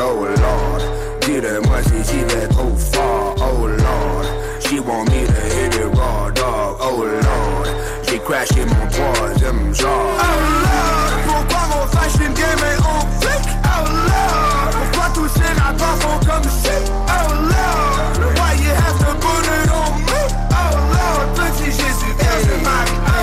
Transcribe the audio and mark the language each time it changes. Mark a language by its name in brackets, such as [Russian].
[English] Oh Lord, [French] dis-le-moi si j'y vais trop fort. [English] Oh Lord, she want me to hit it raw dog. Oh Lord, [French] j'ai crashé mon troisième jar. [English] Oh Lord, [French] pourquoi mon fashion game est en flic? [English] Oh Lord, [French] pourquoi tous ces rappeurs font comme shit? [English] Oh Lord, why you have to put it on me? Oh Lord, [French] petit Jésus, hey, c'est ma vie.